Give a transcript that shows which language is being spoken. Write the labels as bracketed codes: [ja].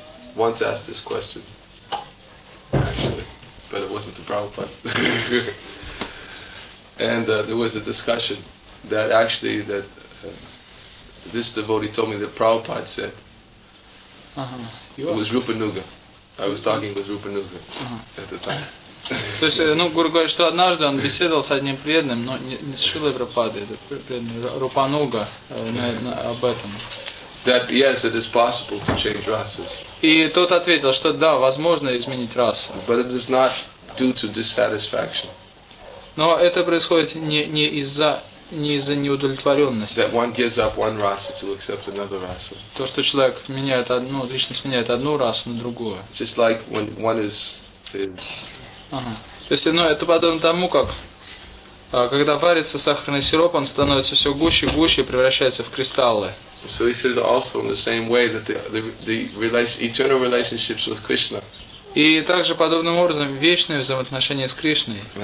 [en] I've once asked this question, actually, but it wasn't the Prabhupada. And there was a discussion that this devotee told me that Prabhupada said. Uh-huh. It was Rupa Nuga. I was talking with Rupa Nuga at the time. [ru] То есть, Гуру говорит, что однажды он беседовал с одним преданным, но не с Шрилой Прабхупадой, этот преданный Рупануга об этом. [en] That yes, it is possible to change races. [ru] И тот ответил, что да, возможно изменить расу. [en] But it is not due to dissatisfaction. [ru] Но это происходит не из-за неудовлетворенности. [en] That one gives up one rasa to accept another rasa. [ru] То, что человек меняет одну личность, меняет одну расу на другую. [en] Just like when one is [ru] То есть, это подобно тому, как когда варится сахарный сироп, он становится все гуще и гуще и превращается в кристаллы. [en] So he said also in the same way that the eternal relationships with Krishna. [ru] И также подобным образом вечные взаимоотношения с Кришной